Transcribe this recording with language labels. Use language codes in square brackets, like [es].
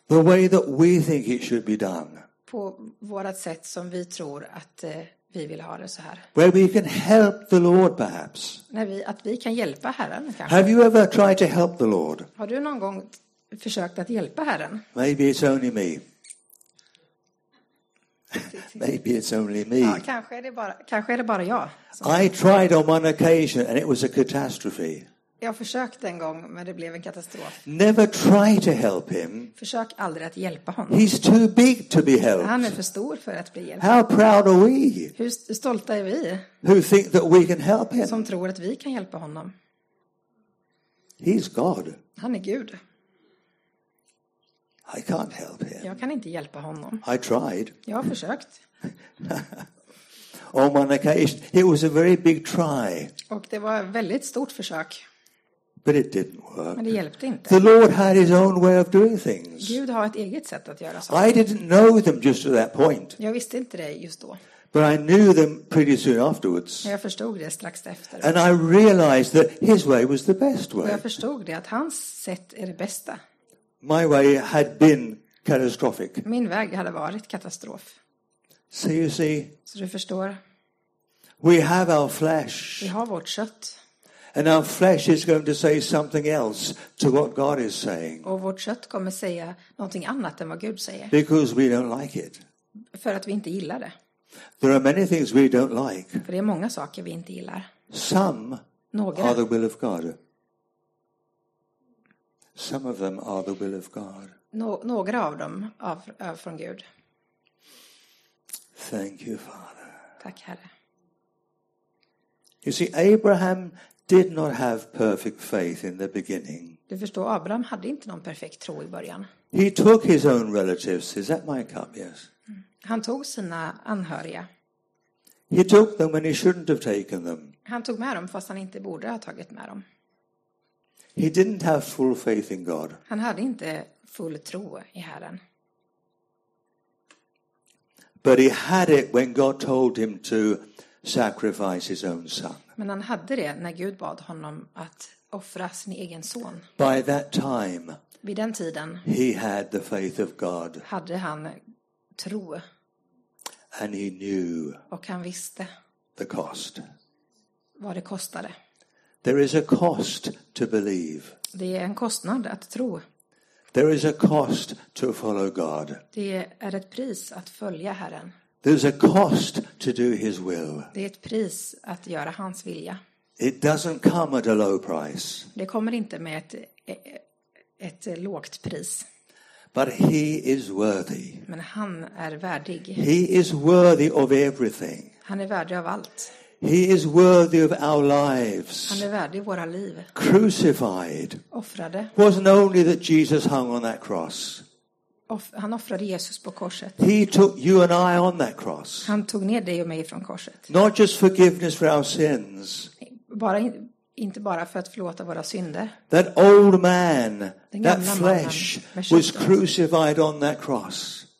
[en] The way that we think it should be done. [sv] På vårat sätt som vi tror att vi vill ha det så här. [en] Where we can help the Lord perhaps. [sv] Att vi kan hjälpa Herren kanske. [en] Have you ever tried to help the Lord? [sv] Har du någon gång försökt att hjälpa Herren? [en] Maybe it's only me. Maybe it's only me. [sv] Ja, kanske är det bara jag. [en] I tried on one occasion and it was a catastrophe. [sv] Jag försökte en gång, men det blev en katastrof. [en] Never try to help him. [sv] Försök aldrig att hjälpa honom. [en] He's too big to be helped. [sv] Han är för stor för att bli hjälpt. [en] How proud are we? [sv] Hur stolta är vi? [en] Who think that we can help him? [sv] Som tror att vi kan hjälpa honom. [en] He's God. [sv] Han är Gud. [en] I can't help him. [sv] Jag kan inte hjälpa honom. [en] I tried. [sv] Jag har försökt. [en] On one occasion, it was a very big try. [sv] Och det var ett väldigt stort försök. [en] But it didn't work. [sv] Men det hjälpte inte. [en] The Lord had his own way of doing things. [sv] Gud har ett eget sätt att göra saker. [en] I didn't know them just at that point. [sv] Jag visste inte det just då. [en] But I knew them pretty soon afterwards. [sv] Jag förstod det strax efter. [en] And I realized that his way was the best way. [sv] Och jag förstod det att hans sätt är det bästa. [en] My way had been catastrophic. [sv] Min väg hade varit katastrof. [en] So you see. [sv] Så du förstår. [en] We have our flesh. [sv] Vi har vårt kött. [en] And our flesh is going to say something else to what God is saying. [sv] Och vårt kött kommer säga någonting annat än vad Gud säger. [en] Because we don't like it. [sv] För att vi inte gillar det. [en] There are many things we don't like. [sv] För det är många saker vi inte gillar. [en] Some [sv] Några. [en] Are the will of God. Some of them are the will of God. [sv] Några av dem är från Gud. [en] Thank you, Father. [sv] Tack Herre. [en] You see, Abraham did not have perfect faith in the beginning. [sv] Du förstår, Abraham hade inte någon perfekt tro i början. [en] He took his own relatives. Is that my cup? Yes. [sv] Han tog sina anhöriga. [en] He took them when he shouldn't have taken them. [sv] Han tog med dem fast han inte borde ha tagit med dem. [en] He didn't have full faith in God. [sv] Han hade inte full tro i Herren. [en] But he had it when God told him to sacrifice his own son. [sv] Men han hade det när Gud bad honom att offra sin egen son. [en] By that time. [sv] Vid den tiden. [en] He had the faith of God. [sv] Hade han tro. [en] And he knew. [sv] Och han visste. [en] The cost. [sv] Vad det kostade. [en] There is a cost to believe. [sv] Det är en kostnad att tro. [en] There is a cost to follow God. [sv] Det är ett pris att följa Herren. [en] There's a cost to do his will. [sv] Det är ett pris att göra hans vilja. [en] It doesn't come at a low price. [sv] Det kommer inte med ett lågt pris. [en] But he is worthy. [sv] Men han är värdig. [en] He is worthy of everything. [sv] Han är värdig av allt. [en] He is worthy of our lives. [sv] Han är värdig våra liv. [en] Crucified. [sv] Offrade. [en] Wasn't only that Jesus hung on that cross. [sv] Han offrade Jesus på korset. [en] He took you and I on that cross. [sv] Han tog ner dig och mig från korset. [en] Not just forgiveness for our sins. [sv] Inte bara för att förlåta våra synder. [en] That old man, that flesh was crucified on that cross.